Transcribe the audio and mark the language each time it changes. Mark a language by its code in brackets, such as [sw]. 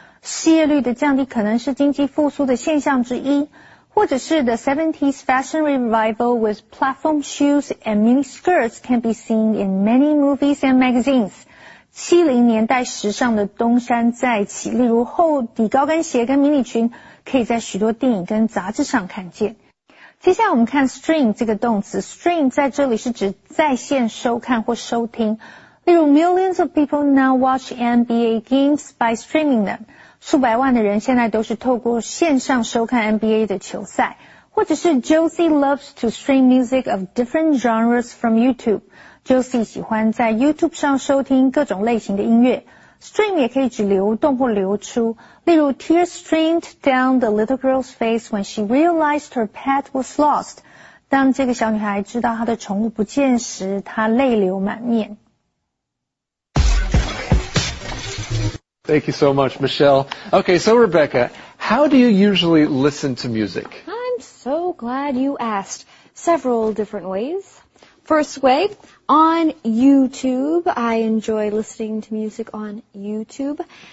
[zh] 失业率的降低可能是经济复苏的现象之一。或者是 [en] the 70s fashion revival with platform shoes and mini skirts can be seen in many movies and magazines. [zh] 70年代时尚的东山再起，例如厚底高跟鞋跟迷你裙可以在许多电影跟杂志上看见。接下来我们看 stream 这个动词， stream 在这里是指在线收看或收听，例如 [en] millions of people now watch NBA games by streaming them。 [zh] 数百万的人现在都是透过线上收看 NBA 的球赛，或者是 [en] Josie loves to stream music of different genres from YouTube. [zh] Josie 喜欢在 YouTube 上收听各种类型的音乐。 [en] Stream [zh] 也可以指流动或流出，例如 [en] Tears streamed down the little girl's face when she realized her pet was lost. [zh] 当这个小女孩知道她的宠物不见时，她泪流满面。 [en] Thank you so much, Michelle. Okay, so Rebecca, how do you usually listen to music? I'm so glad you asked. Several different ways. First way, on YouTube. I enjoy listening to music on YouTube.